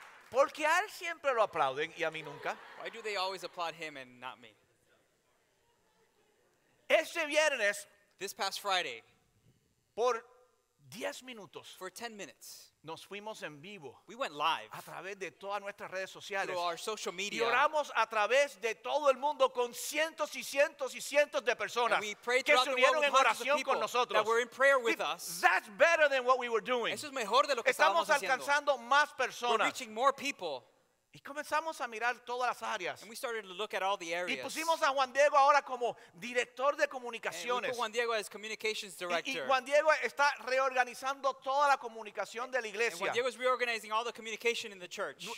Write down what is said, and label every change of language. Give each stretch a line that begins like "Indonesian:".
Spanish: ¿Por qué a él siempre lo aplauden y a mí nunca?
English: Why do they always applaud him and not me?
Spanish: Este viernes.
English: This past Friday,
Spanish: por 10 minutos,
English: for 10 minutes,
Spanish: nos fuimos en vivo,
English: we went live,
Spanish: a través de todas nuestras redes sociales,
English: through our social media,
Spanish: y oramos a través de todo el mundo con cientos y cientos y cientos de personas,
English: and we prayed
Spanish: que se unieron en oración con nosotros,
English: that were in prayer with us. That's better than what we were doing.
Spanish: Eso es mejor de lo que estamos alcanzando haciendo. Más personas.
English: We're reaching more people.
Spanish: Y comenzamos a mirar todas las áreas.
English: And we started to look at all the areas.
Spanish: Y pusimos a Juan Diego ahora como director de comunicaciones.
English: And we put Juan Diego as communications director.
Spanish: Y Juan Diego está reorganizando toda la comunicación de la iglesia.
English: And Juan Diego is reorganizing all the communication in the church.